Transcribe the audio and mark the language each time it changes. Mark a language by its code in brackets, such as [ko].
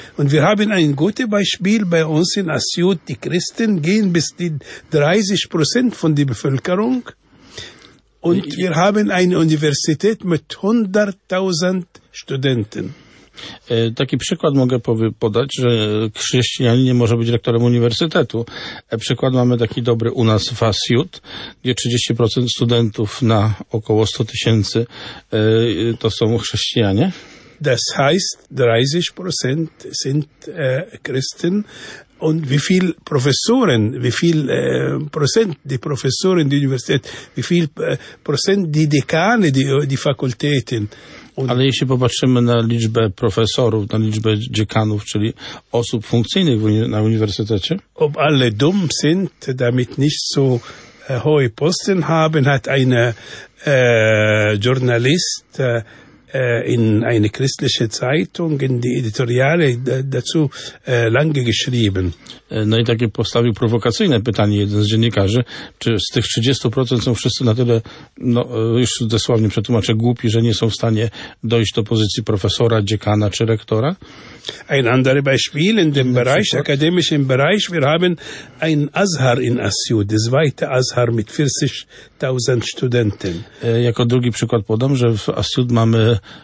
[de] Und wir haben ein gutes Beispiel bei uns in Assyut. Die Christen gehen bis die 30% von der Bevölkerung. Und wir haben eine Universität mit 100.000 Studenten. [pl] Taki przykład mogę podać, że chrześcijanin nie może być rektorem uniwersytetu. Przykład mamy taki dobry u nas w Assyut, gdzie 30% studentów na około 100 tysięcy to są chrześcijanie. [de] Das heißt, 30% sind Christen. Und wie viel Professoren, wie viel Prozent die Professoren der Universität, wie viel Prozent die Dekane, die Fakultäten. [pl] Ale jeśli popatrzymy na liczbę profesorów, na liczbę dziekanów, czyli osób funkcyjnych na uniwersytecie. [de] Ob alle dumm sind, damit nicht so hohe Posten haben, hat ein Journalist in eine christliche Zeitung, in die Editoriale dazu lange geschrieben. [pl] No i takie postawił prowokacyjne pytanie jeden z dziennikarzy, czy z tych 30% są wszyscy na tyle, no już dosłownie przetłumaczę, głupi, że nie są w stanie dojść do pozycji profesora, dziekana czy rektora? [de] Ein anderes Beispiel in dem Bereich, akademischen Bereich, wir haben ein Azhar in Assyut, der zweite Azhar mit 40.000 Studenten. [pl] Jako drugi przykład podam, że w Assyut mamy